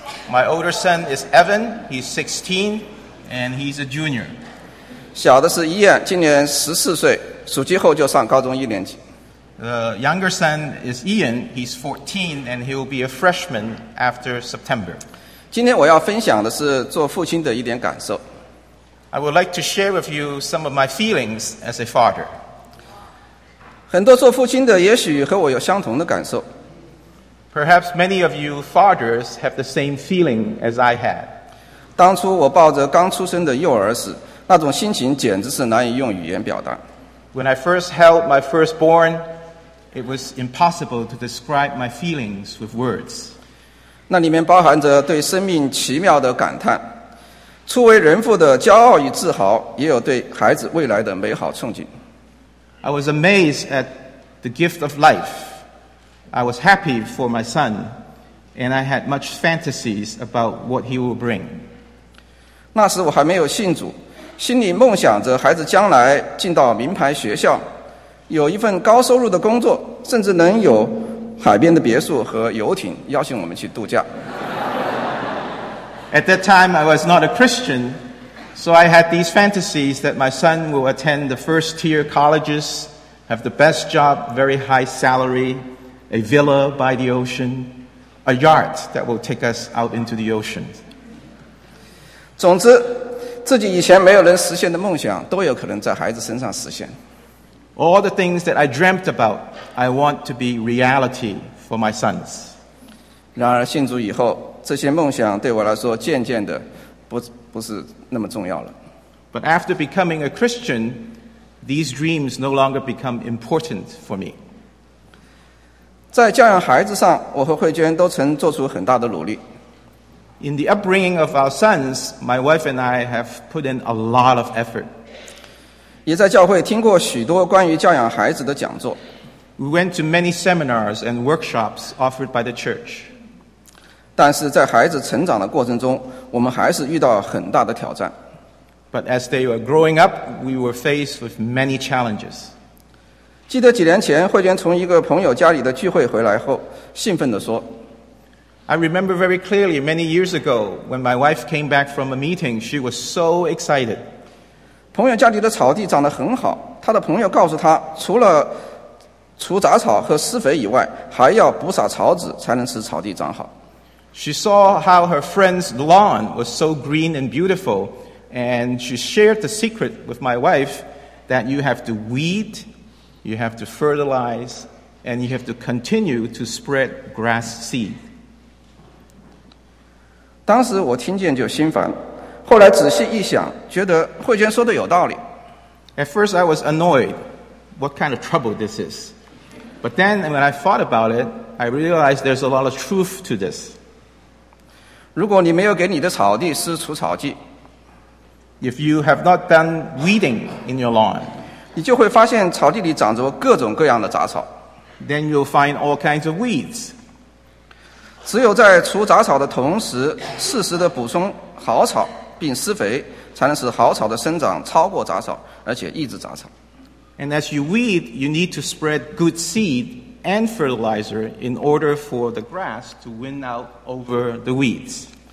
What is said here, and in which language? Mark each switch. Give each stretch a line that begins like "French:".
English: My older son is Evan, he's 16, and he's a junior.
Chinese: 小的是 Ian, 今年14岁，暑期后就上高中一年级。
English: The younger son is Ian, he's 14, and he'll be a freshman after September.
Chinese: 今天我要分享的是做父亲的一点感受。
English: I would like to share with you some of my feelings as a father.
Chinese: 很多做父亲的也许和我有相同的感受。
English: Perhaps many of you fathers have the same feeling as I had.
Chinese: 当初我抱着刚出生的幼儿时，那种心情简直是难以用语言表达。
English: When I first held my firstborn, it was impossible to describe my feelings with words.
Chinese: 那里面包含着对生命奇妙的感叹。初为人父的骄傲与自豪，也有对孩子未来的美好憧憬。
English: I was amazed at the gift of life. I was happy for my son, and I had much fantasies about what he will bring.
Chinese: 那时我还没有信主，心里梦想着孩子将来进到名牌学校，有一份高收入的工作，甚至能有海边的别墅和游艇邀请我们去度假。
English: At that time, I was not a Christian, so I had these fantasies that my son will attend the first-tier colleges, have the best job, very high salary, a villa by the ocean, a yacht that will take us out into the ocean.
Chinese: 总之，自己以前没有能实现的梦想，都有可能在孩子身上实现。
English: All the things that I dreamt about, I want to be reality for my sons.
Chinese: 然而信主以后，这些梦想对我来说渐渐的不是那么重要了。
English: But after becoming a Christian, these dreams no longer become important for me.
Chinese: 在教养孩子上，我和慧娟都曾做出很大的努力。
English: In the upbringing of our sons, my wife and I have put in a lot of effort.
Chinese: 也在教会听过许多关于教养孩子的讲座。
English: We went to many seminars and workshops offered by the church.
Chinese: 但是在孩子成长的过程中，我们还是遇到很大的挑战。
English: But as they were growing up, we were faced with many challenges.
Chinese: 记得几年前，慧娟从一个朋友家里的聚会回来后，兴奋地说
English: ：“I remember very clearly many years ago when my wife came back from a meeting. She was so excited.
Chinese: 朋友家里的草地长得很好，她的朋友告诉她，除了除杂草和施肥以外，还要补撒草籽才能使草地长好。”
English: She saw how her friend's lawn was so green and beautiful, and she shared the secret with my wife that you have to weed, you have to fertilize, and you have to continue to spread grass seed.
Chinese: 当时我听见就心烦，后来仔细一想，觉得慧娟说的有道理。
English: At first I was annoyed, what kind of trouble this is. But then when I thought about it, I realized there's a lot of truth to this.
Chinese: 如果你没有给你的草地施除草剂
English: ，If you have not done weeding in your lawn，
Chinese: 你就会发现草地里长着各种各样的杂草。
English: Then you'll find all kinds of weeds。
Chinese: 只有在除杂草的同时，适时的补充好草并施肥，才能使好草的生长超过杂草，而且抑制杂草。
English: And as you weed, you need to spread good seed. And fertilizer in order for the grass to win out over the weeds.